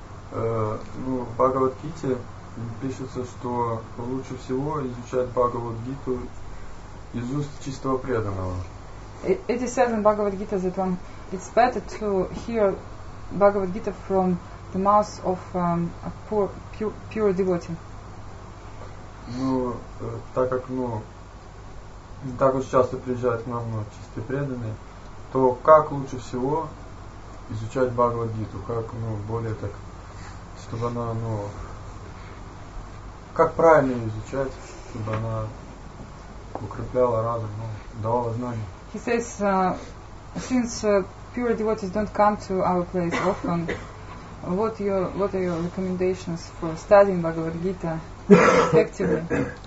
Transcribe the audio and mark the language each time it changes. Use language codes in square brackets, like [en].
[ru] Ну, в Bhagavad Gita пишется, что лучше всего изучать Bhagavad Gita из уст чистого преданного. [en] It is said in Bhagavad Gita that one, it's better to hear Bhagavad Gita from the mouth of a poor, pure devotee. [ru] Ну, так как, ну, не так уж часто приезжают к нам, ну, чистые преданные, то как лучше всего изучать Бхагавад-гиту? Как, ну, более так, чтобы она, ну, как правильно ее изучать, чтобы она укрепляла разум, ну, давала знания? [en] He says, since pure devotees don't come to our place often, what are your recommendations for studying Bhagavad Gita effectively?